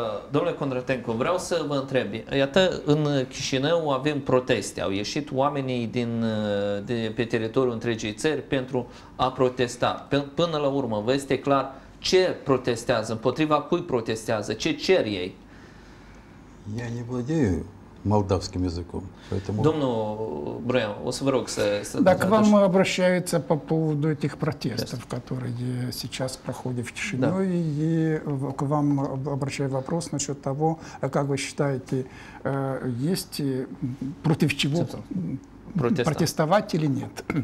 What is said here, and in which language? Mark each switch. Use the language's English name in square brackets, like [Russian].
[Romanian] Domnule Kondratenko, vreau să vă întreb. Iată, în Chișinău avem proteste. Au ieșit oamenii pe teritoriul întregii țări pentru a protesta. Până la urmă, vă este clar ce protestează, împotriva cui protestează, ce cer ei? [Russian] Я не владею молдавским языком. Поэтому... [Romanian] Domnul Brăian, o să vă rog să dacă vă [Russian] vam обращаются по поводу этих протестов, которые сейчас проходят в Чешиной, и к вам обращаю вопрос насчет того, как вы считаете, есть против чего протестовать или нет?